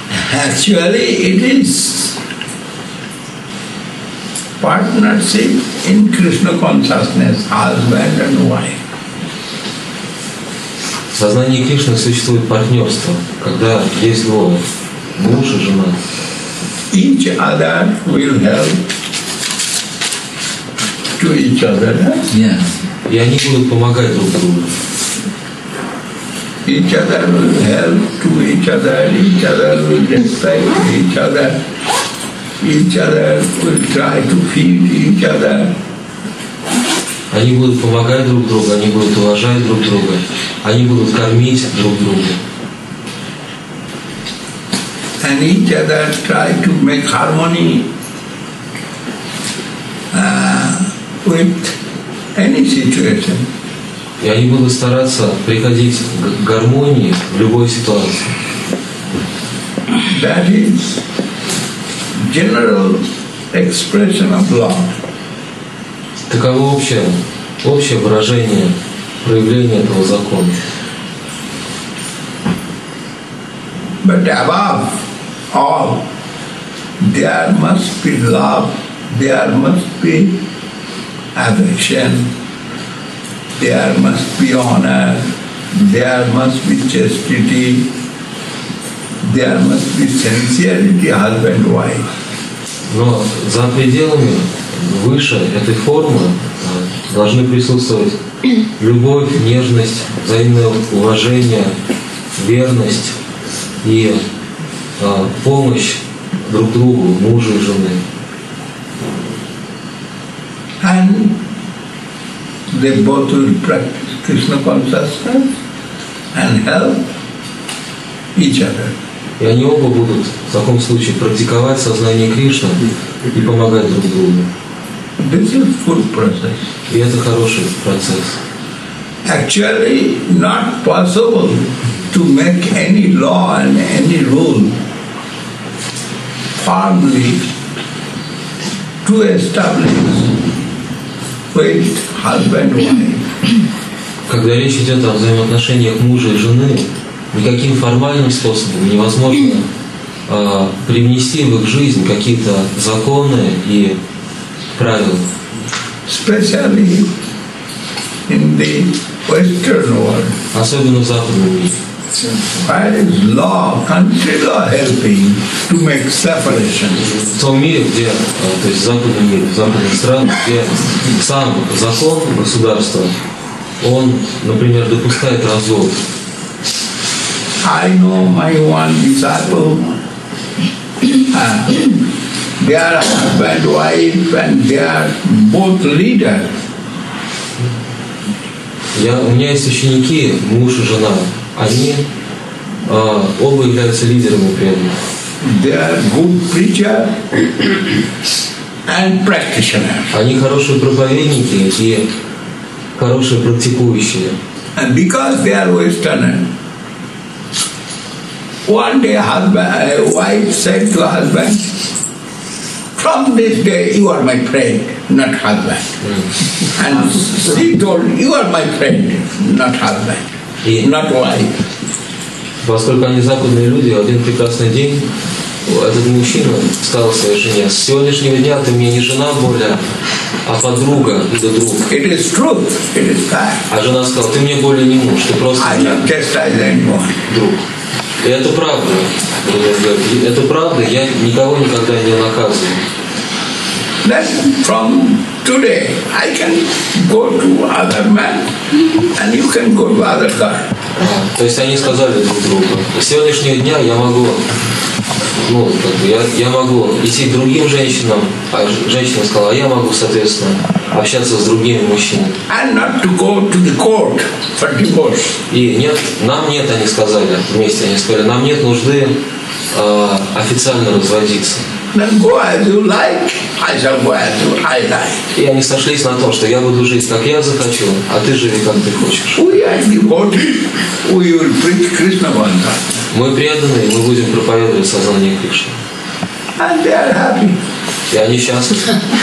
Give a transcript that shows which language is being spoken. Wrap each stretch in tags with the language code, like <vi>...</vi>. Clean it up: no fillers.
<en>Actually, it is partnership in Krishna consciousness, husband and wife.</en> <ru>В сознании Кришны существует партнерство, когда есть двое, муж и жена.</ru> <en>Each other will help to each other. Yeah.</en> <ru>И они будут помогать друг другу.</ru> <en>Each other will help to each other will respect each other will try to feed each other.</en> <ru>Они будут помогать друг другу, они будут уважать друг друга, они будут кормить друг друга.</ru> <en>And each other try to make harmony with any situation.</en> <ru>И они будут стараться приходить к гармонии в любой ситуации.</ru> <en>That is general expression of love.</en> <ru>Таково общее, общее выражение, проявление этого закона.</ru> <en>But above all, there must be love, there must be affection, there must be honor, there must be chastity, there must be sincerity, husband and wife.</en> <ru>Но за пределами выше этой формы должны присутствовать любовь, нежность, взаимное уважение, верность и помощь друг другу, мужу и жене.</ru> <en>And they both will practice Krishna consciousness and help each other.</en> <ru>И они оба будут в таком случае практиковать сознание Кришны и помогать друг другу.</ru> <en>This is full process.</en> <ru>И это хороший процесс.</ru> <en>Actually, not possible to make any law and any rule firmly to establish with husband and wife.</en> <ru>Когда речь идет о взаимоотношениях мужа и жены, никаким формальным способом невозможно привнести в их жизнь какие-то законы и правила.</ru> <en>Especially in the Western world.</en> <ru>Особенно в Западном мире.</ru> <en>Where is law, country law helping to make separation?</en> <ru>В том мире, где, то есть в Западном мире, в западных странах, где сам закон государства, он, например, допускает развод.</ru> <en>I know my one disciple. They are husband, wife, and they are both leader.</en> <ru>У меня есть ученики, муж и жена. Они оба являются лидерами преданных.</ru> <en>They are good preacher and practitioner.</en> <ru>Они хорошие проповедники и хорошие практикующие.</ru> <en>And because they are Westerner. One day wife said to husband, from this day you are my friend, not husband. And she told, you are my friend, not husband, not wife.</en> <ru>Поскольку они западные люди, в один прекрасный день этот мужчина сказал своей жене, с сегодняшнего дня ты мне не жена более, а подруга или друг.</ru> <en>It is truth. It is fact.</en> <ru>А жена сказала, ты мне более не муж, ты просто</ru> <en>I am just as anyone.</en> <ru>Друг. И это правда. Это правда, я никого никогда не наказываю.</ru> <en>Then from today I can go to other man and you can go to other guy.</en> <ru>То есть они сказали друг другу, с сегодняшнего дня я могу, ну, как бы я могу идти к другим женщинам, а женщина сказала, а я могу, соответственно, общаться с другими мужчинами.</ru> <en>And not to go to the court for divorce.</en> <ru>И нет, нам нет, они сказали, вместе они сказали, нам нет нужды официально разводиться.</ru> <en>Then go as you like, I shall go as you, I like.</en> <ru>И они сошлись на том, что я буду жить, как я захочу, а ты живи, как ты хочешь.</ru> <en>We are devotees. We will preach Krishna Mantra.</en> <ru>Мы преданные, мы будем проповедовать сознание Кришны.</ru> <en>And they are happy.</en> <ru>И они счастливы.</ru>